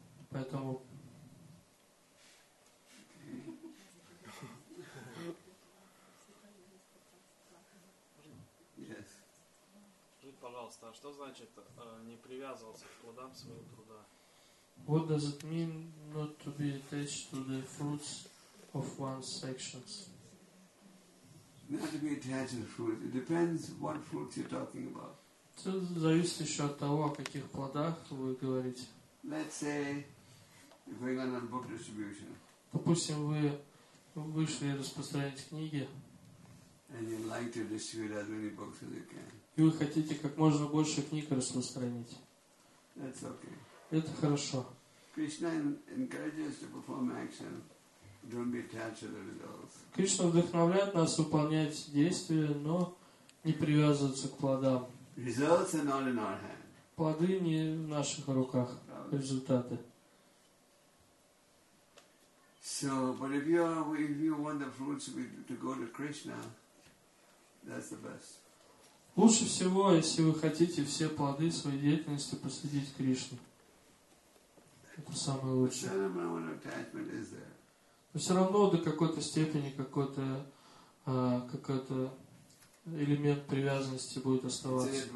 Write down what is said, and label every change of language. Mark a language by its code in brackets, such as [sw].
[ru] Поэтому. Пожалуйста, а что значит не привязываться к плодам своего труда? [en] What does it mean not to be attached to the fruits of one's actions? Not to be attached to the fruit. It depends what fruits you're talking about. [ru] Это зависит еще от того, о каких плодах вы говорите. [en] Let's say if we're going on book distribution. [ru] Допустим, вы вышли распространять книги. [en] And you'd like to distribute as many books as you can. [ru] И вы хотите как можно больше книг распространить. [en] That's okay. [ru] Это хорошо. [en] Krishna encourages to perform action. Don't be attached to the results. [ru] Кришна вдохновляет нас выполнять действия, но не привязываться к плодам. [en] Results are not in our hand. [ru] Плоды не в наших руках. Результаты. [en] So, but if you want the fruits to go to Krishna, that's the best. [ru] Лучше всего, если вы хотите все плоды своей деятельности посвятить Кришне. Это самое лучшее. Но все равно до какой-то степени какой-то элемент привязанности будет оставаться.